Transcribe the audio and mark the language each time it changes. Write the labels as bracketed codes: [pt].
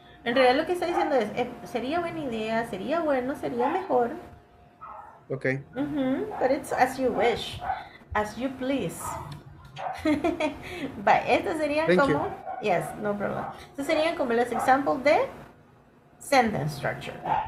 [es] En realidad lo que está diciendo es, sería buena idea, sería bueno, sería mejor. [en] Ok. Mm-hmm. But it's as you wish, as you please. But [es] esto sería como... [en] You. Yes, no problem. [es] Esto serían como los examples de sentence structure.